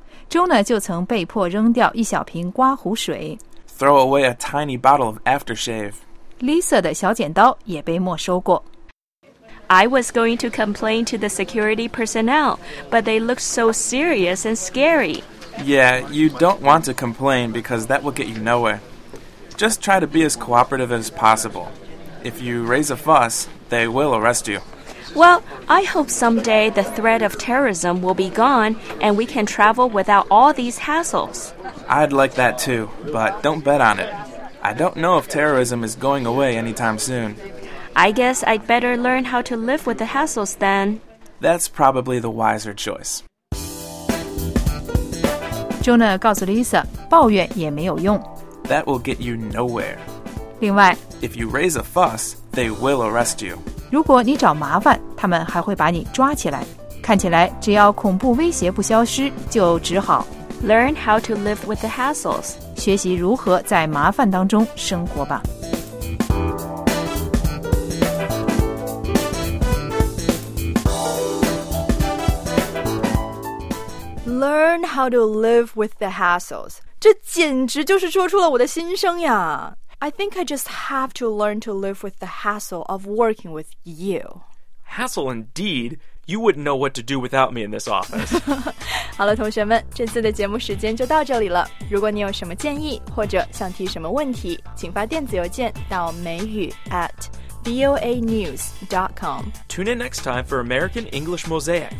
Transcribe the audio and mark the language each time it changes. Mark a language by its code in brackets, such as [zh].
[zh] 周呢就曾被迫扔掉一小瓶刮胡水。 [en] Throw away a tiny bottle of aftershave. [zh] Lisa 的小剪刀也被没收过。 [en] I was going to complain to the security personnel, but they looked so serious and scary. Yeah, you don't want to complain because that will get you nowhere. Just try to be as cooperative as possible. If you raise a fuss, they will arrest you. Well, I hope someday the threat of terrorism will be gone and we can travel without all these hassles. I'd like that too, but don't bet on it. I don't know if terrorism is going away anytime soon. I guess I'd better learn how to live with the hassles then. That's probably the wiser choice. [zh] Jonah 告诉 Lisa, 抱怨也没有用。 [en] That will get you nowhere. [zh] 另外， [en] If you raise a fuss, they will arrest you. [zh] 如果你找麻烦，他们还会把你抓起来。看起来，只要恐怖威胁不消失，就只好 [en] Learn how to live with the hassles. [zh] 学习如何在麻烦当中生活吧。 [en] Learn how to live with the hassles. [zh] 这简直就是说出了我的心声呀。 [en] I think I just have to learn to live with the hassle of working with you. Hassle indeed. You wouldn't know what to do without me in this office. [zh] 好了，同学们，这次的节目时间就到这里了。如果你有什么建议或者想提什么问题，请发电子邮件到美语 at voanews.com. [en] Tune in next time for American English Mosaic.